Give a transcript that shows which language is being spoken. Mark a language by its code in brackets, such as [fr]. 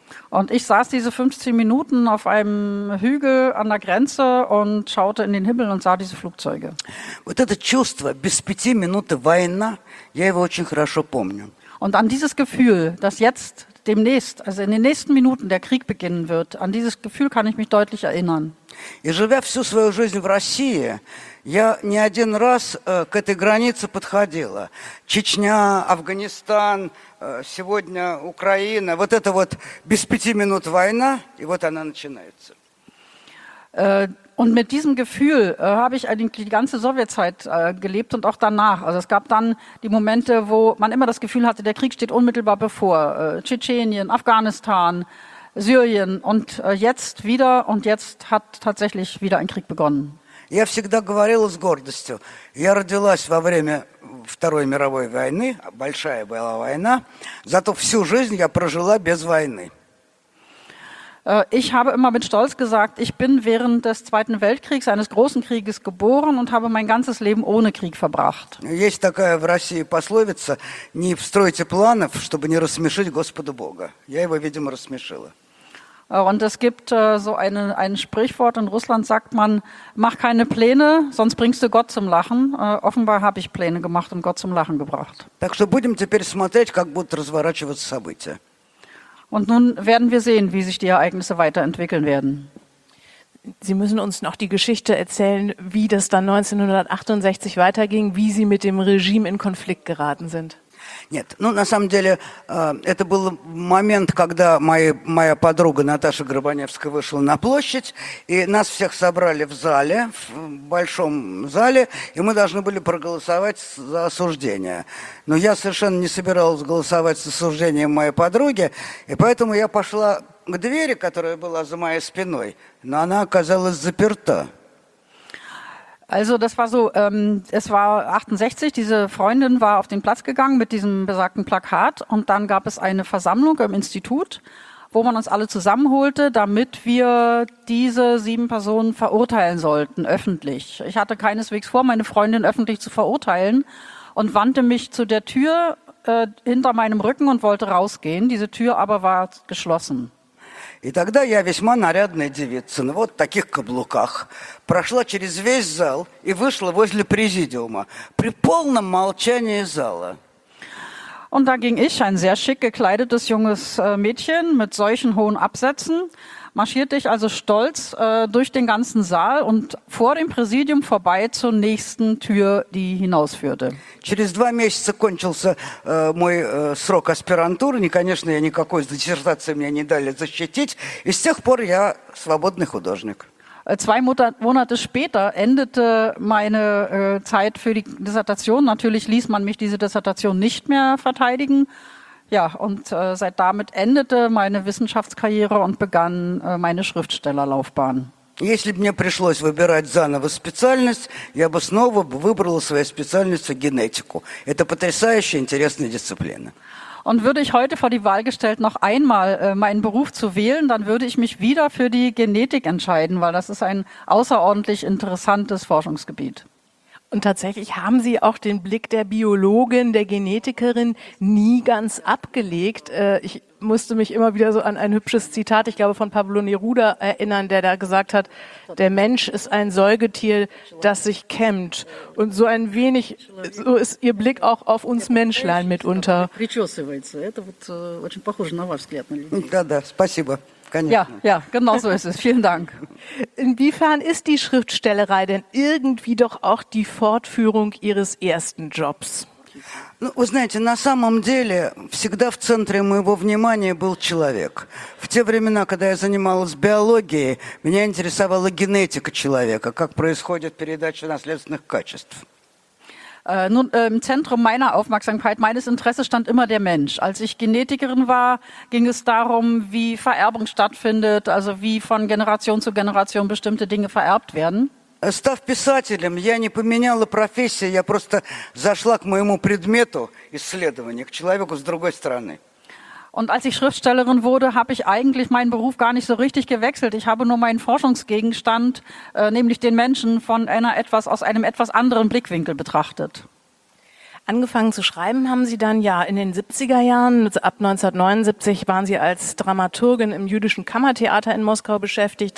[de] Und ich saß diese 15 Minuten auf einem Hügel an der Grenze und schaute in den Himmel und sah diese Flugzeuge. [ru] Вот это чувство, без пяти минуты война, я его очень хорошо помню. [de] Und an dieses Gefühl, dass jetzt demnächst, also in den nächsten Minuten, der Krieg beginnen wird, an dieses Gefühl kann ich mich deutlich erinnern. [ru] И живя всю свою жизнь в России, я не один раз к этой границе подходила. Чечня, Афганистан, сегодня Украина. Вот это вот без пяти минут война, и вот она начинается. [de] Und mit diesem Gefühl habe ich eigentlich die ganze Sowjetzeit gelebt und auch danach. Also es gab dann die Momente, wo man immer das Gefühl hatte, der Krieg steht unmittelbar bevor. Tschetschenien, Afghanistan, Syrien und jetzt wieder. Und jetzt hat tatsächlich wieder ein Krieg begonnen. [ru] Я всегда говорила с гордостью. Я родилась во время Второй мировой войны, большая была война. Зато всю жизнь я прожила без войны. [de] Ich habe immer mit Stolz gesagt, ich bin während des Zweiten Weltkriegs, eines großen Krieges, geboren und habe mein ganzes Leben ohne Krieg verbracht. [ru] Есть такая в России пословица: не строите планов, чтобы не рассмешить Господа Бога. Я его, видимо, рассмешила. [de] Und es gibt so ein Sprichwort, in Russland sagt man, mach keine Pläne, sonst bringst du Gott zum Lachen. Offenbar habe ich Pläne gemacht und Gott zum Lachen gebracht. [ru] Так что будем теперь смотреть, как будут разворачиваться события. [de] Und nun werden wir sehen, wie sich die Ereignisse weiterentwickeln werden. Sie müssen uns noch die Geschichte erzählen, wie das dann 1968 weiterging, wie Sie mit dem Regime in Konflikt geraten sind. [ru] Нет, ну на самом деле, это был момент, когда моя подруга Наташа Горбаневская вышла на площадь, и нас всех собрали в зале, в большом зале, и мы должны были проголосовать за осуждение. Но я совершенно не собиралась голосовать за осуждение моей подруги, и поэтому я пошла к двери, которая была за моей спиной, но она оказалась заперта. [de] Also das war so, es war 68, diese Freundin war auf den Platz gegangen mit diesem besagten Plakat und dann gab es eine Versammlung im Institut, wo man uns alle zusammenholte, damit wir diese 7 Personen verurteilen sollten, öffentlich. Ich hatte keineswegs vor, meine Freundin öffentlich zu verurteilen und wandte mich zu der Tür hinter meinem Rücken und wollte rausgehen, diese Tür aber war geschlossen. [ru] И тогда я весьма нарядная девица, ну вот в таких каблуках, прошла через весь зал и вышла возле президиума при полном молчании зала. [de] Und da ging ich, ein sehr schick gekleidetes junges Mädchen mit solchen hohen Absätzen, marschierte ich also stolz durch den ganzen Saal und vor dem Präsidium vorbei zur nächsten Tür, die hinausführte. [ru] Через 2 месяца кончился мой срок аспирантуры, и, конечно, я никакой диссертации мне не дали защитить, и с тех пор я свободный художник. [de] 2 Monate später endete meine Zeit für die Dissertation. Natürlich ließ man mich diese Dissertation nicht mehr verteidigen. Ja, und seit damit endete meine Wissenschaftskarriere und begann meine Schriftstellerlaufbahn. [ru] Если бы мне пришлось выбирать заново специальность, я бы снова выбрала своей специальностью генетику. Это потрясающе интересная дисциплина. [de] Und würde ich heute vor die Wahl gestellt, noch einmal meinen Beruf zu wählen, dann würde ich mich wieder für die Genetik entscheiden, weil das ist ein außerordentlich interessantes Forschungsgebiet. Und tatsächlich haben Sie auch den Blick der Biologin, der Genetikerin nie ganz abgelegt. Ich musste mich immer wieder so an ein hübsches Zitat, ich glaube, von Pablo Neruda erinnern, der da gesagt hat, der Mensch ist ein Säugetier, das sich kämmt. Und so ein wenig, so ist Ihr Blick auch auf uns Menschlein mitunter. [ru] Да, спасибо. [de] Ja, ja, genau so ist es. Vielen Dank. Inwiefern ist die Schriftstellerei denn irgendwie doch auch die Fortführung Ihres ersten Jobs? [ru] Ну, вы знаете, на самом деле всегда в центре моего внимания был человек. В те времена, когда я занималась биологией, меня интересовала генетика человека, как происходит передача наследственных качеств. [de] Nun, im Zentrum meiner Aufmerksamkeit, meines Interesses stand immer der Mensch. Als ich Genetikerin war, ging es darum, wie Vererbung stattfindet, also wie von Generation zu Generation bestimmte Dinge vererbt werden. [ru] Став писателем, я не поменяла профессии, я просто зашла к моему предмету исследования, к человеку с другой стороны. [de] Und als ich Schriftstellerin wurde, habe ich eigentlich meinen Beruf gar nicht so richtig gewechselt. Ich habe nur meinen Forschungsgegenstand, nämlich den Menschen, von einer etwas aus einem etwas anderen Blickwinkel betrachtet. Angefangen zu schreiben haben Sie dann ja in den 70er Jahren. Ab 1979 waren Sie als Dramaturgin im jüdischen Kammertheater in Moskau beschäftigt.